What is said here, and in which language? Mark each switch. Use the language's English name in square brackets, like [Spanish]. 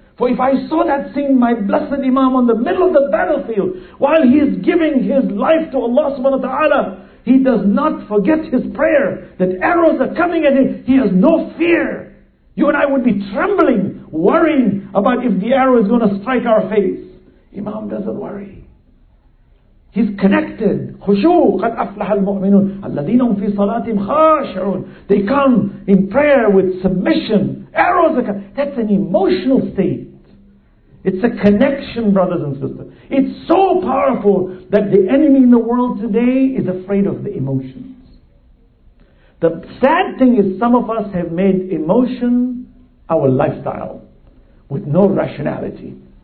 [English] For if I saw that scene, my blessed Imam on the middle of the battlefield, while he is giving his life to Allah subhanahu wa ta'ala, he does not forget his prayer, that arrows are coming at him, he has no fear. You and I would be trembling, worrying about if the arrow is going to strike our face. Imam doesn't worry. He's connected. [Arabic] خشوع قد أفلح المؤمنون الذين هم في صلاتهم خاشعون. [English] They come in prayer with submission. Arrows are coming. That's an emotional state. It's a connection, brothers and sisters. It's so powerful that the enemy in the world today is afraid of the emotions. The sad thing is some of us have made emotion our lifestyle with no rationality.